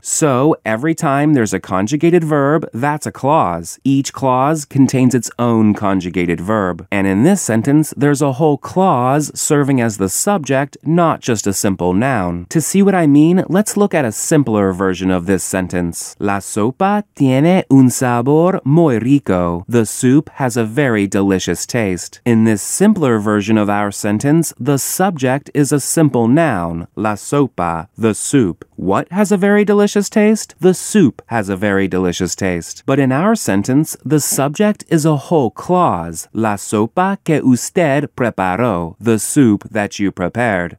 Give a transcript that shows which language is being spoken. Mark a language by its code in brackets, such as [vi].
[en] So, every time there's a conjugated verb, that's a clause. Each clause contains its own conjugated verb. And in this sentence, there's a whole clause serving as the subject, not just a simple noun. To see what I mean, let's look at a simpler version of this sentence. [es] La sopa tiene un sabor muy rico. [en] The soup has a very delicious taste. In this simpler version of our sentence, the subject is a simple noun, la sopa, the soup. What has a very delicious taste? The soup has a very delicious taste. But in our sentence, the subject is a whole clause, [es] la sopa que usted preparó, [en] the soup that you prepared.